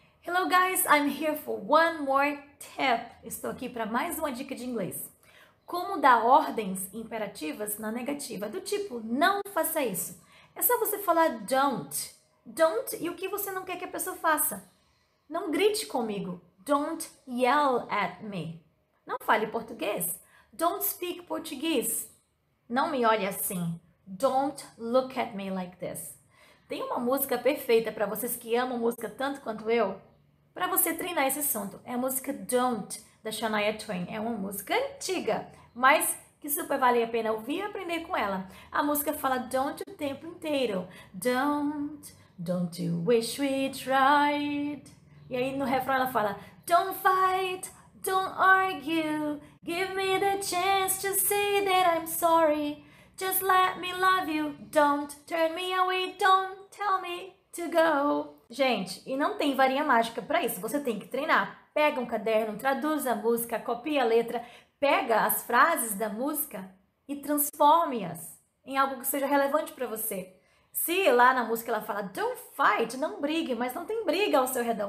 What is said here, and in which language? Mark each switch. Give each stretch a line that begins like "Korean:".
English: Hello guys, I'm here for one more tip.
Portuguese: Estou aqui para mais uma dica de inglês. Como dar ordens imperativas na negativa, do tipo, não faça isso. É só você falar don't. Don't e o que você não quer que a pessoa faça. Não grite comigo.
English: Don't yell at me.
Portuguese: Não fale português.
English: Don't speak
Portuguese: português. Não me olhe assim.
English: Don't look at me like this.
Portuguese: Tem uma música perfeita para vocês que amam música tanto quanto eu? Para você treinar esse assunto. É a música Don't, da Shania Twain. É uma música antiga, mas que super vale a pena ouvir e aprender com ela. A música fala Don't o tempo inteiro.
English: Don't, don't you wish we tried?
Portuguese: E aí no refrão ela fala
English: Don't fight, don't argue. Give me the chance to say that I'm sorry. Just let me love you, don't turn me away, don't tell me to go.
Portuguese: Gente, e não tem varinha mágica pra isso, você tem que treinar. Pega um caderno, traduz a música, copia a letra, pega as frases da música e transforme-as em algo que seja relevante pra você. Se lá na música ela fala,
English: don't fight,
Portuguese: não brigue, mas não tem briga ao seu redor.